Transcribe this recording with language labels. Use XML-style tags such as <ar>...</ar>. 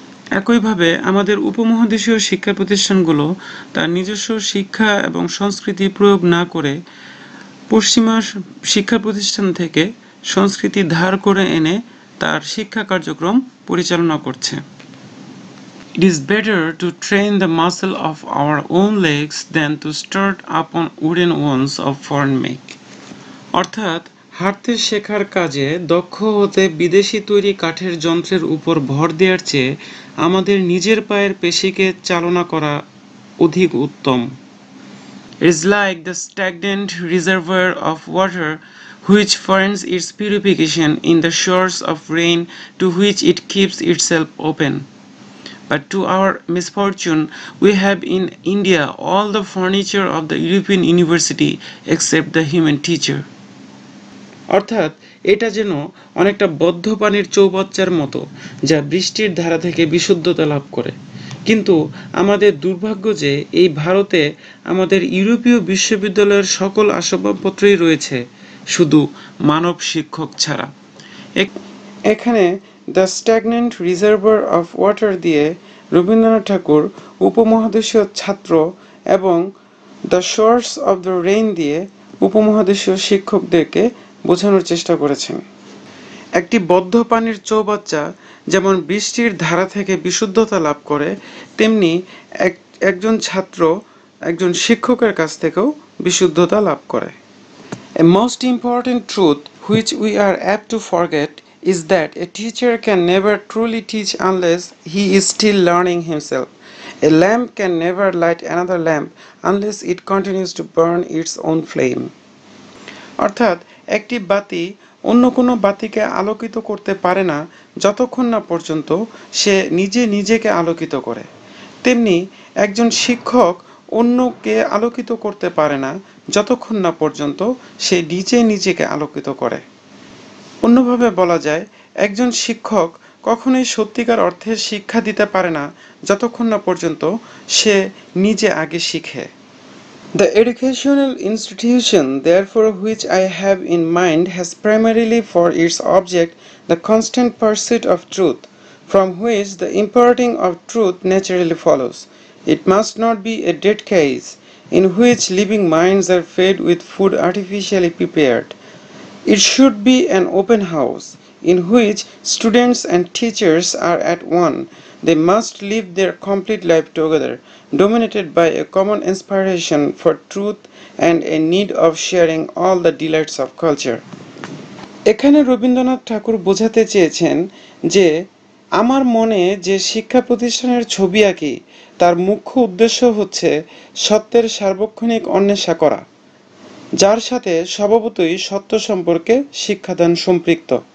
<bn>একইভাবে আমাদের উপমহাদেশীয় শিক্ষা প্রতিষ্ঠানগুলো তার নিজস্ব শিক্ষা এবং সংস্কৃতি প্রয়োগ না করে পশ্চিমা শিক্ষা প্রতিষ্ঠান থেকে সংস্কৃতি ধার করে এনে তার শিক্ষা কার্যক্রম পরিচালনা করছে।</bn> <en>It is better to train the muscle of our own legs than to start upon wooden ones of foreign make.</en> <bn>অর্থাৎ হাঁটতে শেখার কাজে দক্ষ হতে বিদেশি তৈরি কাঠের যন্ত্রের উপর ভর দেওয়ার চেয়ে আমাদের নিজের পায়ের পেশিকে চালনা করা অধিক উত্তম।</bn> <en>It is like the stagnant reservoir of water which finds its purification in the showers of rain to which it keeps itself open. But to our misfortune, we have in India all the furniture of the European university except the human teacher.</en> <bn>অর্থাৎ এটা যেন অনেকটা বদ্ধ পানির চৌবাচ্চার মতো যা বৃষ্টির ধারা থেকে বিশুদ্ধতা লাভ করে, কিন্তু আমাদের দুর্ভাগ্য যে এই ভারতে আমাদের ইউরোপীয় বিশ্ববিদ্যালয়ের সকল আসবাবপত্রই রয়েছে শুধু মানব শিক্ষক ছাড়া। এখানে</bn> <en>the stagnant reservoir of water</en> <bn>দিয়ে রবীন্দ্রনাথ ঠাকুর উপমহাদেশীয় ছাত্র এবং</bn> <en>the source of the rain</en> <bn>দিয়ে উপমহাদেশীয় শিক্ষকদেরকে বোঝানোর চেষ্টা করেছেন। একটি বদ্ধ পানির চৌবাচ্চা যেমন বৃষ্টির ধারা থেকে বিশুদ্ধতা লাভ করে, তেমনি একজন ছাত্র একজন শিক্ষকের কাছ থেকেও বিশুদ্ধতা লাভ করে।</bn> <en>A most important truth which we are apt to forget is that a teacher can never truly teach unless he is still learning himself. A lamp can never light another lamp unless it continues to burn its own flame.</en> <bn>অর্থাৎ একটি বাতি অন্য কোনো বাতিকে আলোকিত করতে পারে না যতক্ষণ না পর্যন্ত সে নিজে নিজেকে আলোকিত করে। তেমনি একজন শিক্ষক অন্যকে আলোকিত করতে পারে না যতক্ষণ না পর্যন্ত সে নিজে নিজেকে আলোকিত করে। অন্যভাবে বলা যায়, একজন শিক্ষক কখনোই সত্যিকার অর্থে শিক্ষা দিতে পারে না যতক্ষণ না পর্যন্ত সে নিজে আগে শিখে।</bn> <en>The educational institution, therefore, which I have in mind has primarily for its object the constant pursuit of truth, from which the imparting of truth naturally follows. It must not be a dead case in which living minds are fed with food artificially prepared. It should be an open house in which students and teachers are at one. They must live their complete life together, dominated by a common inspiration for truth and a need of sharing all the delights of culture.</en> <bn>এখানে রবীন্দ্রনাথ ঠাকুর বোঝাতে চেয়েছেন যে আমার মনে যে শিক্ষা প্রতিষ্ঠানের ছবি আঁকি তার মুখ্য উদ্দেশ্য হচ্ছে সত্যের সার্বক্ষণিক অন্বেষা করা, যার সাথে স্বভাবতই সত্য সম্পর্কে শিক্ষাদান সম্পৃক্ত।</bn>